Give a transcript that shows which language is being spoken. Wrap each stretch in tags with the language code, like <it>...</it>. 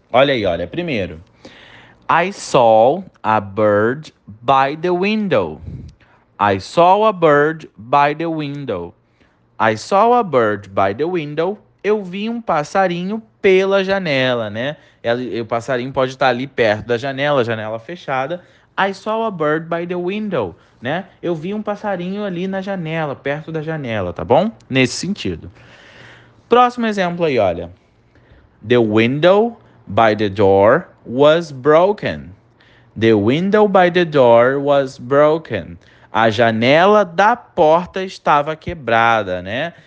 <pt>Olha aí, olha. Primeiro.</pt> <en>I saw a bird by the window. I saw a bird by the window. I saw a bird by the window.</en> <pt>Eu vi um passarinho pela janela, né? O passarinho pode estar ali perto da janela, janela fechada.</pt> <en>I saw a bird by the window, né?</en> <pt>Eu vi um passarinho ali na janela, perto da janela, tá bom? Nesse sentido. Próximo exemplo aí, olha.</pt> <en>The window by the door was broken. The window by the door was broken.</en> <pt>A janela da porta estava quebrada, né?</pt>